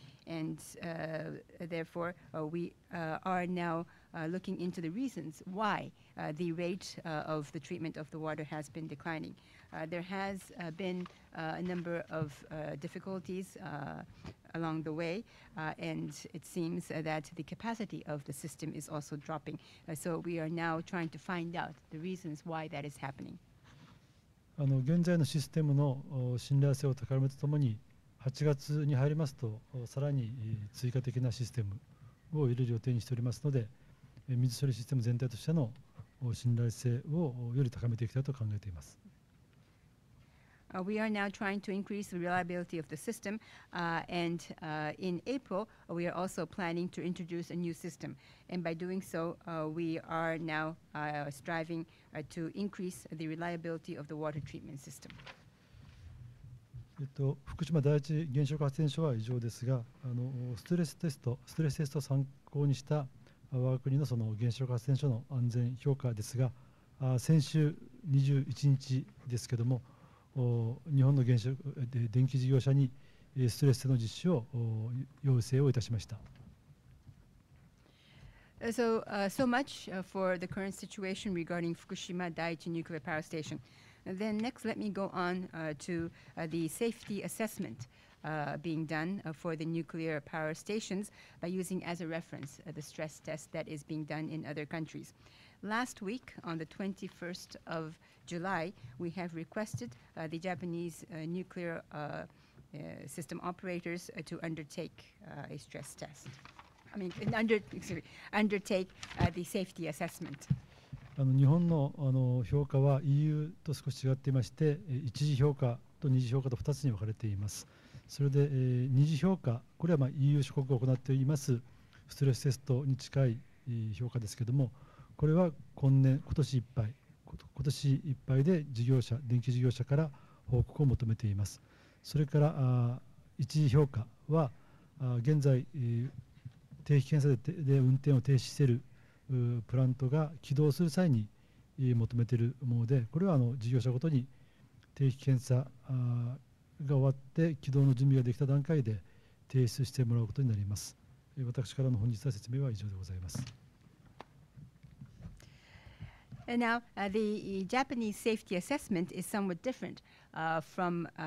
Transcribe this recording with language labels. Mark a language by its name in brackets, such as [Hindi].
[English] And therefore, we are now looking into the reasons why the rate of the treatment of the water has been declining. There has been a number of difficulties along the way, and it seems that the capacity of the system is also dropping. So we are now trying to find out the reasons why that is happening. [Japanese] 現在のシステムの信頼性を高めるとともに、8月に入りますとさらに追加的なシステムを入れる予定にしておりますので、水処理システム全体としての信頼性をより高めていきたいと考えています。 [English] We are now trying to increase the reliability of the system, and in April we are also planning to introduce a new system, and by doing so we are now striving to increase the reliability of the water treatment system. [Japanese] 福島第一原子力発電所は以上ですが、ストレステストを参考にした我が国 その原子力発電所の安全評価ですが、先週21日ですけれども、日本の原子力電気事業者にストレステの実施を要請をいたしました。 [English] So much for the current situation regarding Fukushima Daiichi Nuclear Power Station. Then next, let me go on to the safety assessment being done for the nuclear power stations by using as a reference the stress test that is being done in other countries. Last week, on the 21st of July, we have requested the Japanese nuclear system operators to undertake a stress test. I mean, undertake the safety assessment. [Japanese] 日本の評価は EU と少し違っていまして、一次評価と二次評価と二つに分かれています。それで、二次評価、これはEU 諸国が行っていますストレステストに近い評価ですけれども、これは今年いっぱいで事業者、電気事業者から報告を求めています。それから一次評価は、現在、定期検査 で運転を停止しているプラントが起動する際に求めているもので、これは事業者ごとに定期検査が終わって起動の準備ができた段階で提出してもらうことになります。私からの本日の説明は以上でございます。 [English] Now, the Japanese safety assessment is somewhat different from